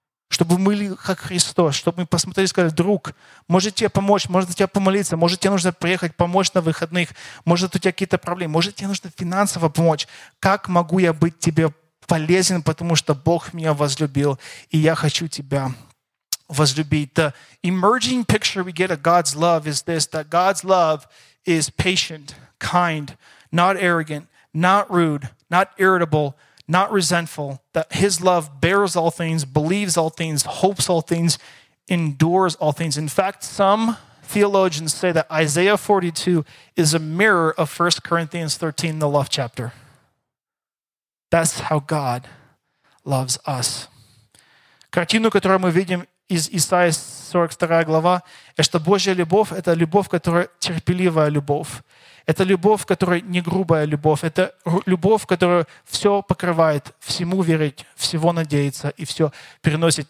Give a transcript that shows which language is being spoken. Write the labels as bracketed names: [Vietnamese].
[Russian] чтобы мы были как Христос, чтобы мы посмотрели и сказали, друг, может тебе помочь, может тебе помолиться, может тебе нужно приехать помочь на выходных, может у тебя какие-то проблемы, может тебе нужно финансово помочь. Как могу я быть тебе полезен, потому что Бог меня возлюбил, и я хочу тебя возлюбить. [English] The emerging picture we get of God's love is this, that God's love is patient, kind, not arrogant, not rude, not irritable, not resentful, that his love bears all things, believes all things, hopes all things, endures all things. In fact, some theologians say that Isaiah 42 is a mirror of 1 Corinthians 13, the love chapter. That's how God loves us. [Russian] Картину, которую мы видим из Исаии 42 глава, это что Божья любовь — это любовь, которая терпеливая любовь. Это любовь, которая не грубая любовь. Это любовь, которая все покрывает, всему верить, всего надеяться и все переносит.